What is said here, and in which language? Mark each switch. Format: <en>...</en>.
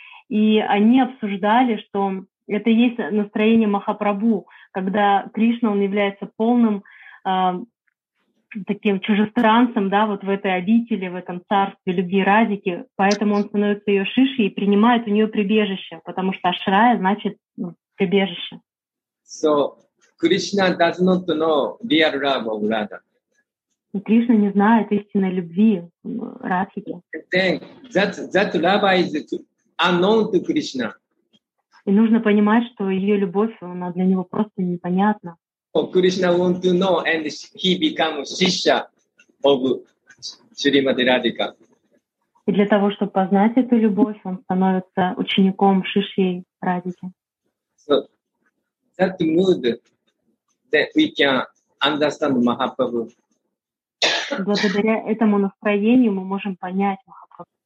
<ru>И они обсуждали, что это есть настроение Махапрабху, когда Кришна, он является полным таким чужестранцем, да, вот в этой обители, в этом царстве любви Радики, поэтому он становится ее шишей и принимает у нее прибежище, потому что Ашрая значит прибежище.</ru> <en>So, Krishna does not know real love of Radha.</en> <ru>И Кришна не знает истинной любви Радхики.</ru> <en>Then that love is unknown to Krishna.</en> <ru>И нужно понимать, что ее любовь, она для него просто непонятна.</ru> <en>Oh, Krishna want to know, and he become shishya of Shrimati Radhika.</en> <ru>И для того, чтобы познать эту любовь, он становится учеником Шиши Радики.</ru> <en>So, that mood that we can understand Mahaprabhu.</en> <ru>Благодаря этому настроению мы можем понять Махапрабху.</ru>